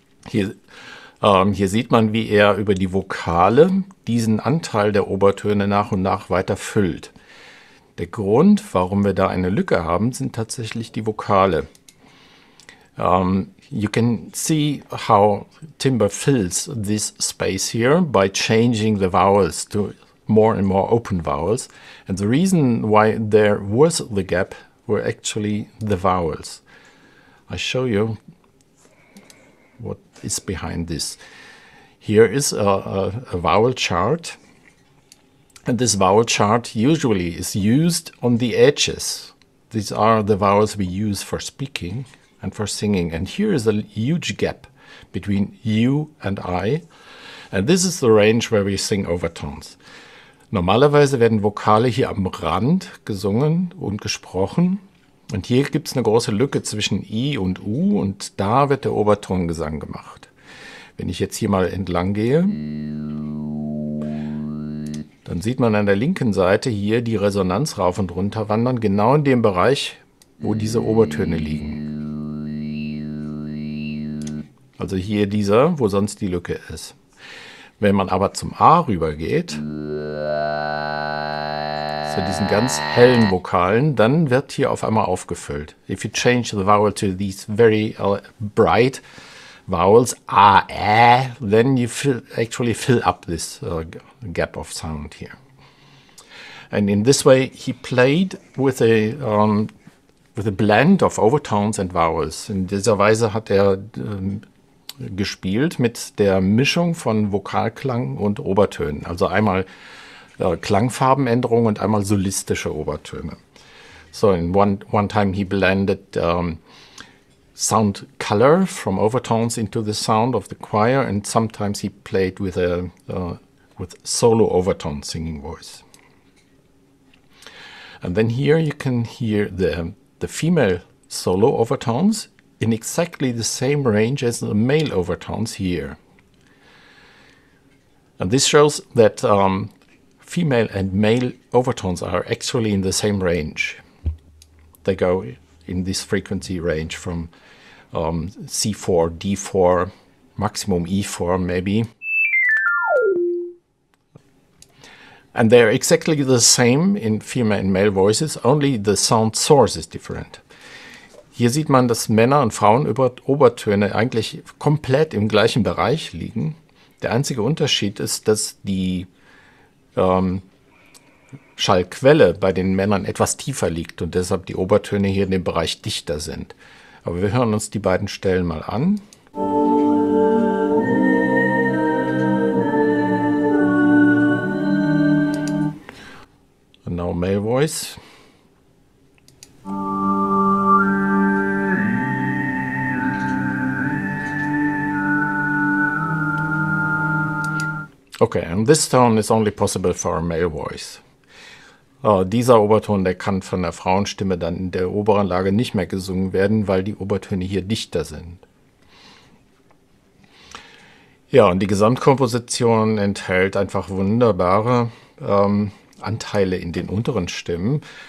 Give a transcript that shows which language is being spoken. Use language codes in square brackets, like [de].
[de] Hier sieht man, wie er über die Vokale diesen Anteil der Obertöne nach und nach weiter füllt. Der Grund, warum wir da eine Lücke haben, sind tatsächlich die Vokale. [en] You can see how Timber fills this space here by changing the vowels to more and more open vowels. And the reason why there was the gap were actually the vowels. I show you what is behind this. Here is a vowel chart, and this vowel chart usually is used on the edges. These are the vowels we use for speaking and for singing, and here is a huge gap. between you and I. And this is the range where we sing overtones. [de] Normalerweise werden Vokale hier am Rand gesungen und gesprochen. Und hier gibt es eine große Lücke zwischen I und U und da wird der Obertongesang gemacht. Wenn ich jetzt hier mal entlang gehe, dann sieht man an der linken Seite hier die Resonanz rauf und runter wandern, genau in dem Bereich, wo diese Obertöne liegen. Also hier dieser, wo sonst die Lücke ist. Wenn man aber zum A rüber geht, zu diesen ganz hellen Vokalen, dann wird hier auf einmal aufgefüllt. [en] If you change the vowel to these very bright vowels, A, then you actually fill up this gap of sound here. And in this way, he played with a blend of overtones and vowels. [de] In dieser Weise hat er gespielt mit der Mischung von Vokalklang und Obertönen. Also einmal Klangfarbenänderung und einmal solistische Obertöne. [en] So in one time he blended sound color from overtones into the sound of the choir and sometimes he played with solo overtone singing voice. And then here you can hear the female solo overtones in exactly the same range as the male overtones here. And this shows that female and male overtones are actually in the same range. They go in this frequency range from C4, D4, maximum E4 maybe. And they're exactly the same in female and male voices, only the sound source is different. [de] Hier sieht man, dass Männer und Frauen über Obertöne eigentlich komplett im gleichen Bereich liegen. Der einzige Unterschied ist, dass die Schallquelle bei den Männern etwas tiefer liegt und deshalb die Obertöne hier in dem Bereich dichter sind. Aber wir hören uns die beiden Stellen mal an. [en] And now male voice. Okay, and this tone is only possible for a male voice. [de] Dieser Oberton, der kann von der Frauenstimme dann in der oberen Lage nicht mehr gesungen werden, weil die Obertöne hier dichter sind. Ja, und die Gesamtkomposition enthält einfach wunderbare Anteile in den unteren Stimmen.